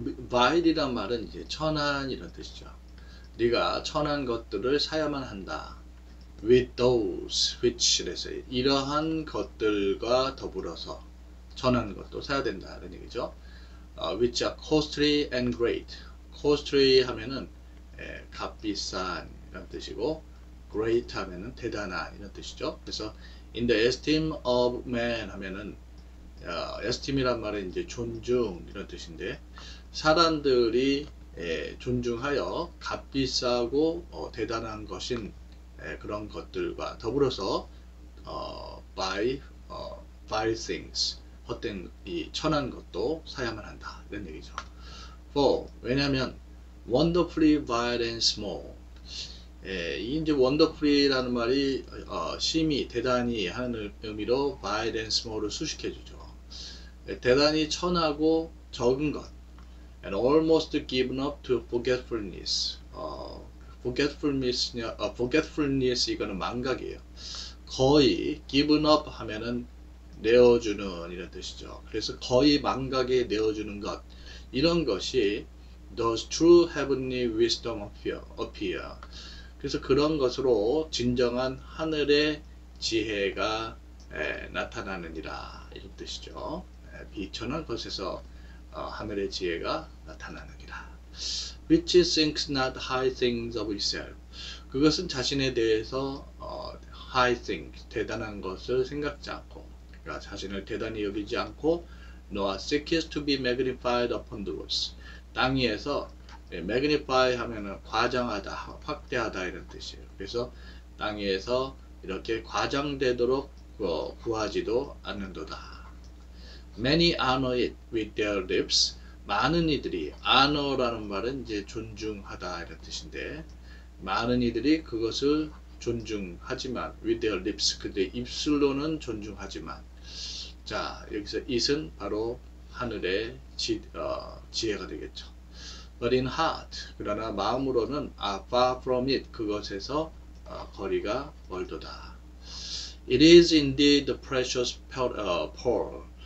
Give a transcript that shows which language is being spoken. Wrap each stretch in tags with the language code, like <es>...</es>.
<ko>Vile이란 말은 이제 천한 이런 뜻이죠. 네가 천한 것들을 사야만 한다.</ko> <en>With those which</en> <ko>에서 이러한 것들과 더불어서 천한 것도 사야 된다는 얘기죠.</ko> <en>Which are costly and great.</en> <ko>Costly 하면은 값비싼 이런 뜻이고, great 하면은 대단한 이런 뜻이죠. 그래서</ko> <en>in the esteem of man</en> <ko>하면은 esteem이란 말은 이제 존중 이런 뜻인데, 사람들이 존중하여 값비싸고 대단한 것인 그런 것들과 더불어서</ko> <en>buy vile things,</en> <ko>헛된 이 천한 것도 사야만 한다 이런 얘기죠.</ko> <en>For</en> <ko>왜냐하면</ko> <en>wonderfully vile and small.</en> <ko>이제 wonderfully라는 말이 심히 대단히 하는 의미로 vile and small을 수식해 주죠. 대단히 천하고 적은 것,</ko> <en>and almost given up to forgetfulness.</en> <ko>Forgetfulness 이거는 망각이에요. 거의 given up 하면은 내어주는 이런 뜻이죠. 그래서 거의 망각에 내어주는 것, 이런 것이</ko> <en>does true heavenly wisdom appear.</en> <ko>그래서 그런 것으로 진정한 하늘의 지혜가 나타나느니라 이런 뜻이죠. 비천한 것에서 하늘의 지혜가 나타나느니라.</ko> <en>Which thinks not high things of itself.</en> <ko>그것은 자신에 대해서 high things, 대단한 것을 생각지 않고, 그러니까 자신을 대단히 여기지 않고,</ko> <en>nor seeks to be magnified upon the earth.</en> <ko>땅 위에서 magnify 하면은 과장하다, 확대하다 이런 뜻이에요. 그래서 땅 위에서 이렇게 과장되도록 구하지도 않는도다.</ko> <en>Many honor it with their lips.</en> <ko>많은 이들이, honor라는 말은 이제 존중하다 이런 뜻인데, 많은 이들이 그것을 존중하지만,</ko> <en>with their lips,</en> <ko>그들의 입술로는 존중하지만, 자, 여기서 it은 바로 하늘의 지혜가 되겠죠.</ko> <en>But in heart,</en> <ko>그러나 마음으로는</ko> <en>far from it,</en> <ko>그것에서 거리가 멀도다.</ko> <en>It is indeed the precious pearl.</en>